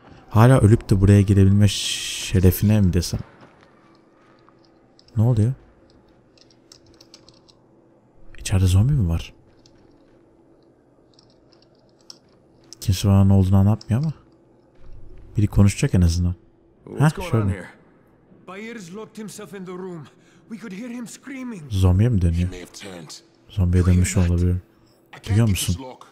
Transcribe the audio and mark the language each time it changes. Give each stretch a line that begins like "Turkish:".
Turkish: Hala ölüp de buraya gelebilme şerefine mi desem? Ne oluyor? İçeride zombi mi var? Kimse bana ne olduğunu anlatmıyor ama. Biri konuşacak en azından. Heh, şöyle.
English: Bayer's locked himself in the room. We could hear him screaming.
Turkish: Zombiye mi dönüyor? Zombiye dönmüş olabilir. Duyuyor musun?